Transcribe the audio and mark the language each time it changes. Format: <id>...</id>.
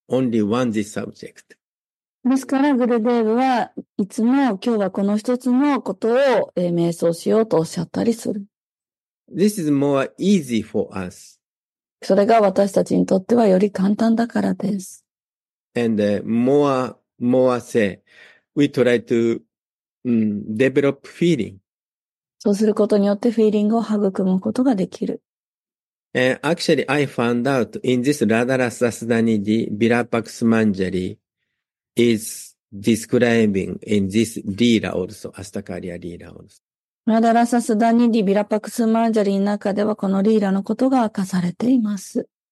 <en>Only one this subject.</en> <ja>ですから、グルデーブはいつも今日はこの一つのことを瞑想しようとおっしゃったりする。</ja> <en>This is more easy for us.</en> <ja>それが私たちにとってはより簡単だからです。</ja> <en>And more say, we try to develop feeling.</en> <ja>そうすることによってフィーリングを育むことができる。</ja> <en>Actually, I found out in this Radha Rasa Sudhanidhi, Virapaksha Manjari is describing in this Leela also, Astakarya Leela also.</en> <ja>Radha Rasa Sudhanidhi, Virapaksha Manjari の中ではこのリーラのことが明かされています。</ja>